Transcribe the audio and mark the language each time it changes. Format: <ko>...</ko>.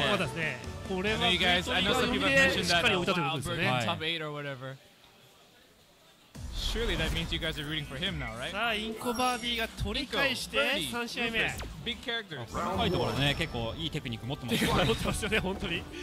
<ja>まだですね、これはフィートリガー読みでしっかり置いたということですね。</ja> <en>トップ8 or whatever。 Surely that means you guys are rooting for him now, right?</en> <ja>さあインコバーディーが取り返して3試合目。ビッグキャラクター。細かいところね、結構いいテクニック持ってます。持ってますよね、本当に。</ja>